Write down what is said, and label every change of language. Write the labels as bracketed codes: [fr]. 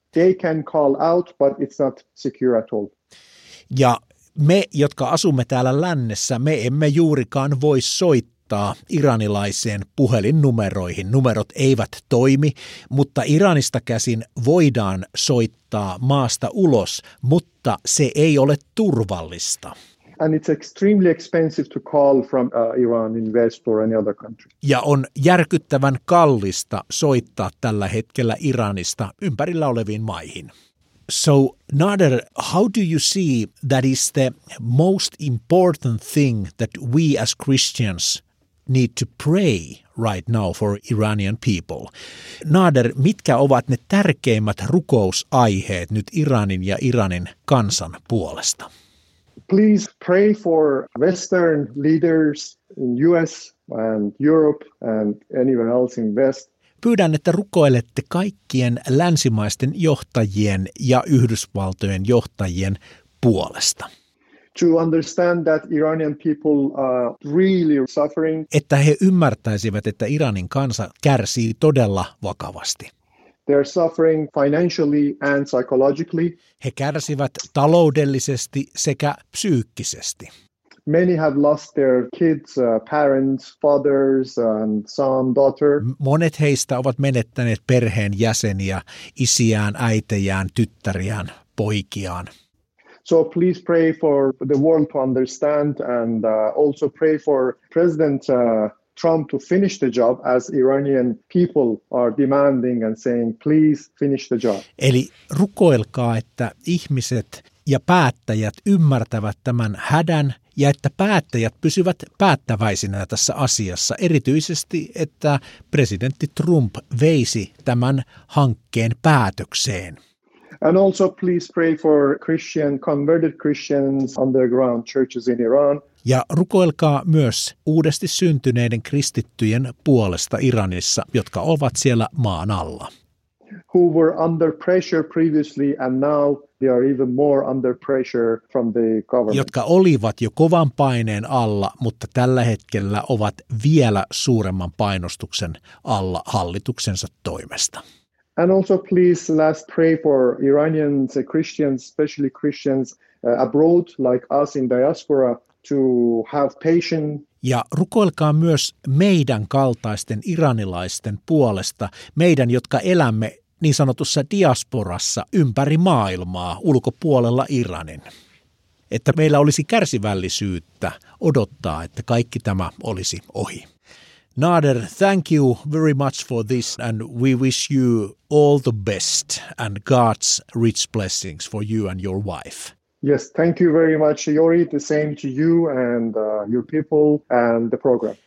[en] They can call out, but it's not secure at all. [fi] Ja me, jotka asumme täällä lännessä, me emme juurikaan voi soittaa iranilaiseen puhelinnumeroihin. Numerot eivät toimi, mutta Iranista käsin voidaan soittaa maasta ulos, mutta se ei ole turvallista. [en] And it's extremely expensive to call from Iran in West or any other country. [fi] Ja on järkyttävän kallista soittaa tällä hetkellä Iranista ympärillä oleviin maihin. [en] So Nader, how do you see that is the most important thing that we as Christians need to pray right now for Iranian people? [fi] Nader, mitkä ovat ne tärkeimmät rukousaiheet nyt Iranin ja Iranin kansan puolesta? [en] Please pray for Western leaders in US and Europe and anywhere else in West. [fi] Pyydän, että rukoilette kaikkien länsimaisten johtajien ja Yhdysvaltojen johtajien puolesta. [en] To understand that Iranian people are really suffering. [fi] Että he ymmärtäisivät, että Iranin kansa kärsii todella vakavasti. [en] They're suffering financially and psychologically. [fi] He kärsivät taloudellisesti sekä psyykkisesti. [en] Many have lost their kids, parents, fathers and son, daughter. [fi] Monet heistä ovat menettäneet perheen jäseniä, isiään, äitejään, tyttäriään, poikiaan. [en] So please pray for the world to understand and also pray for President Trump to finish the job as Iranian people are demanding and saying please finish the job. [fi] Eli rukoilkaa, että ihmiset ja päättäjät ymmärtävät tämän hädän ja että päättäjät pysyvät päättäväisinä tässä asiassa, erityisesti, että presidentti Trump veisi tämän hankkeen päätökseen. [en] And also please pray for Christian, converted Christians underground churches in Iran. [fi] Ja rukoilkaa myös uudesti syntyneiden kristittyjen puolesta Iranissa, jotka ovat siellä maan alla. [en] Who were under pressure previously and now they are even more under pressure from the government. [fi] Jotka olivat jo kovan paineen alla, mutta tällä hetkellä ovat vielä suuremman painostuksen alla hallituksensa toimesta. [en] And also please last pray for Iranians, Christians, especially Christians abroad like us in diaspora to have patience. [fi] Ja rukoilkaa myös meidän kaltaisten iranilaisten puolesta, meidän jotka elämme niin sanotussa diasporassa ympäri maailmaa ulkopuolella Iranin, että meillä olisi kärsivällisyyttä odottaa, että kaikki tämä olisi ohi. [en] Nader, thank you very much for this and we wish you all the best and God's rich blessings for you and your wife. Yes, thank you very much, Jori. The same to you and your people and the program.